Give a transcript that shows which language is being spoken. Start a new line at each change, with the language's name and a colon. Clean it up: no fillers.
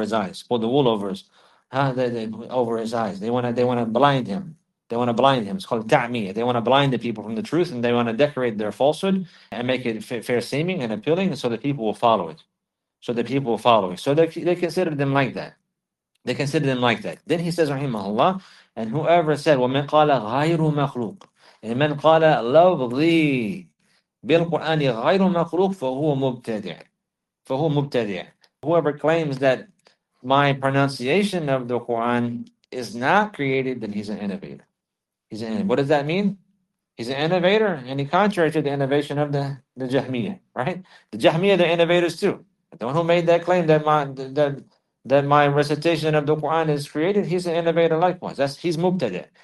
English: Over his eyes, pull the wool over his over his eyes. They want to blind him. They want to blind him. It's called ta'miyah. They want to blind the people from the truth, and they want to decorate their falsehood and make it fair seeming and appealing so that people will follow it. So they consider them like that. Then he says, rahimahullah, and whoever said,
Arabic: وَمَنْ قَالَ غَيْرُ مَخْلُوقٍ إِمَنْ قَالَ لَوْضِي بِالْقُرْآنِ غَيْرُ مَخْلُوقٍ فَهُوَ مُبْتَدِعٍ فَهُوَ مُبْتَدِعٍ.
English: Whoever claims that my pronunciation of the Quran is not created, then he's an innovator. What does that mean? He's an innovator, and he contrary to the innovation of the Jahmiyyah, right? The Jahmiyyah, they're innovators too. The one who made that claim that my recitation of the Quran is created, he's an innovator likewise. He's mubtada'.